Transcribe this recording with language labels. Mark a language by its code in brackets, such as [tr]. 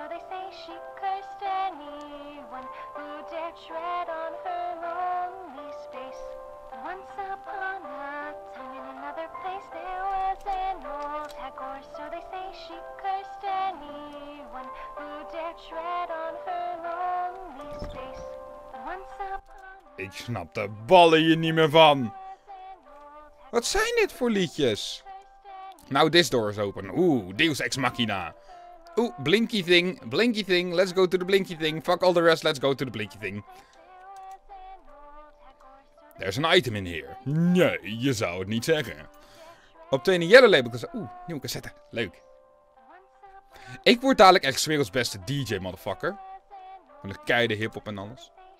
[en] So they say she cursed anyone who dared tread on her lonely space. Once upon a time in another place there was an old hack horse. So they say she cursed anyone who dared tread on her lonely space. Once upon a... [nl] Ik snap de ballen hier niet meer van. Wat zijn dit voor liedjes? [en] Nou, this door is open. Oeh, Deus Ex Machina. Oeh, blinky thing, let's go to the blinky thing. Fuck all the rest, let's go to the blinky thing. There's an item in here. [nl] Nee, je zou het niet zeggen. [en] Obtain a yellow label cassette. [nl] Oeh, nieuwe cassette. Leuk. Ik word dadelijk echt 's werelds beste DJ, motherfucker. Met een keide hiphop en alles.